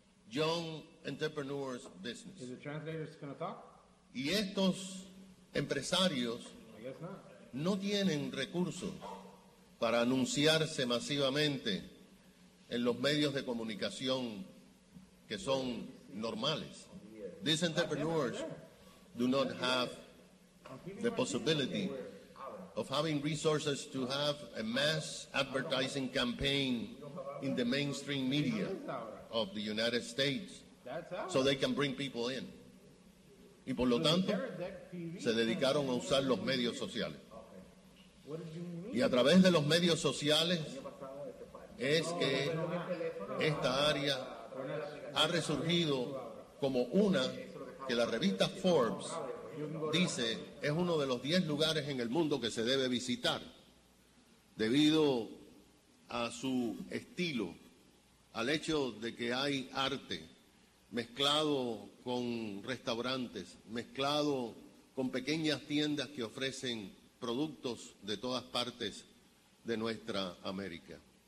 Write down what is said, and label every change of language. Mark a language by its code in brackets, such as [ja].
[en] Young entrepreneurs business. Is the translator going to talk? [es] Y estos empresarios no tienen recursos para anunciarse masivamente en los medios de comunicación que son normales. [en] These entrepreneurs do not have the possibility of having resources to have a mass advertising campaign in the mainstream media of the United States so they can bring people in. [es] Y por lo tanto, se dedicaron a usar los medios sociales. Y a través de los medios sociales es que esta área ha resurgido como una que la revista Forbes dice es uno de los 10 lugares en el mundo que se debe visitar debido a su estilo, al hecho de que hay arte mezclado con restaurantes, mezclado con pequeñas tiendas que ofrecen productos de todas partes de nuestra América.